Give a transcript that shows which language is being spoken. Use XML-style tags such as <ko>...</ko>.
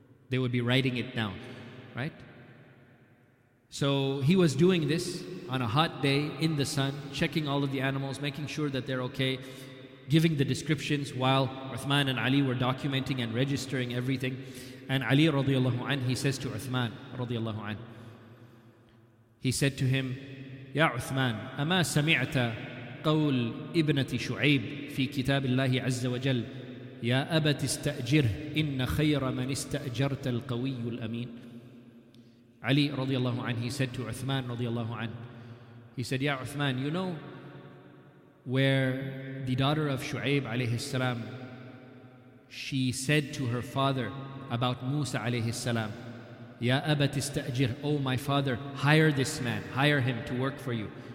<en>They would be writing it down, right? So he was doing this on a hot day in the sun, checking all of the animals, making sure that they're okay, giving the descriptions while Uthman and Ali were documenting and registering everything. And Ali radiallahu anhu, he says to Uthman radiallahu anhu, he said to him, Ya Uthman,</en> <ar>أما سمعت قول ابنة شعيب في كتاب الله عز وجل يا أبت استأجره إن خير من استأجرت القوي الأمين.</ar> <en>Ali radiallahu anhu, he said to Uthman radiallahu anhu, he said, Ya Uthman, you know where the daughter of Shu'aib alayhi salam, she said to her father about Musa alayhi salam,</en> <ar>Ya abat istajir,</ar> <en>oh my father, hire this man, hire him to work for you.</en>